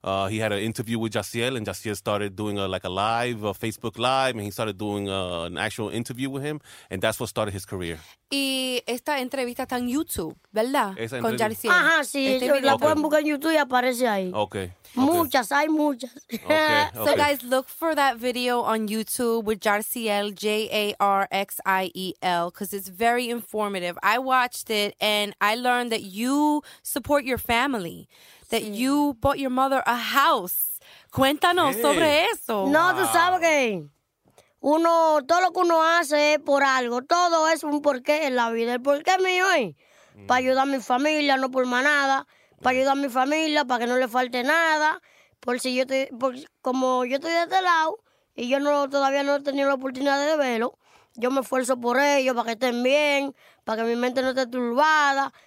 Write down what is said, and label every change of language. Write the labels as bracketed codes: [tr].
[en] He had an interview with Yaciel, and Yaciel started doing a Facebook Live, and he started doing an actual interview with him, and that's what started his career. [es] Y esta entrevista está en YouTube, ¿verdad? Con Yaciel. Ajá, sí, la pueden buscar en YouTube y aparece ahí. [en] Okay. [es] Muchas, hay muchas. [en] Okay. So guys, look for that video on YouTube with Yaciel, Jarxiel, because it's very informative. I watched it, and I learned that you support your family. That you bought your mother a house. [es] Cuéntanos sobre eso. No, tú sabes que uno, todo lo que uno hace es por algo. Todo es un porqué en la vida. El porqué mío es para ayudar a mi familia, no por más nada. Para ayudar a mi familia, para que no le falte nada. Por si yo estoy, como yo estoy de este lado y yo todavía no he tenido la oportunidad de verlo, yo me esfuerzo por ellos, para que estén bien, para que mi mente no esté turbada.